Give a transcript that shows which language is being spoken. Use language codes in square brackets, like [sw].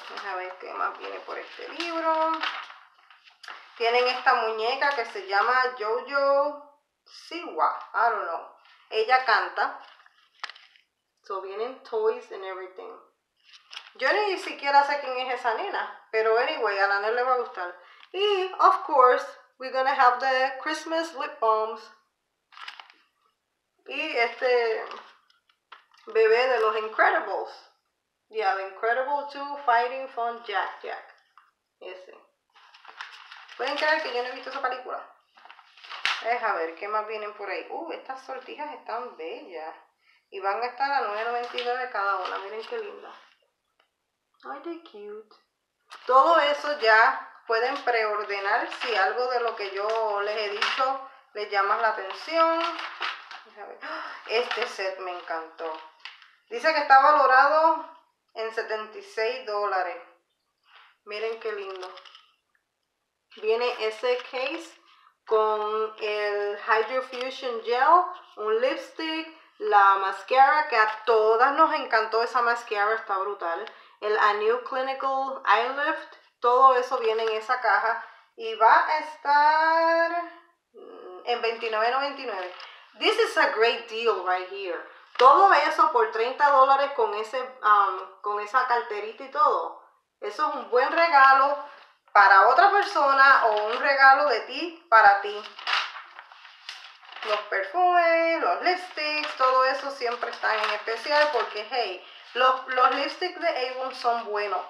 [es] A ver qué más viene por este libro. Tienen esta muñeca que se llama Jojo. [en] Siwa, I don't know. [es] Ella canta. [en] So [es] vienen [en] toys and everything. [es] Yo ni siquiera sé quién es esa nena. Pero anyway, a la nena le va a gustar. [en] Y, of course, we're gonna have the Christmas lip balms. [es] Y este bebé de los Incredibles. [en] Yeah, the Incredible 2 Fighting Fun Jack Jack. Ese. [es] ¿Pueden creer que yo no he visto esa película? Deja ver, ¿qué más vienen por ahí? Estas sortijas están bellas. Y van a estar a $9.99 cada una. Miren qué linda. [en] Ay, they're cute. [es] Todo eso ya pueden preordenar si algo de lo que yo les he dicho les llama la atención. Deja ver. Este set me encantó. Dice que está valorado en $76. Miren qué lindo. Viene ese case con el Hydrofusion Gel, un lipstick, la mascara, que a todas nos encantó esa mascara, está brutal. El A New Clinical Eye Lift, todo eso viene en esa caja. Y va a estar en $29.99. [en] This is a great deal right here. [es] Todo eso por $30 con ese con esa carterita y todo. Eso es un buen regalo para otra persona o un regalo de ti para ti. Los perfumes, los lipsticks, todo eso siempre está en especial porque, hey, los lipsticks de Avon son buenos.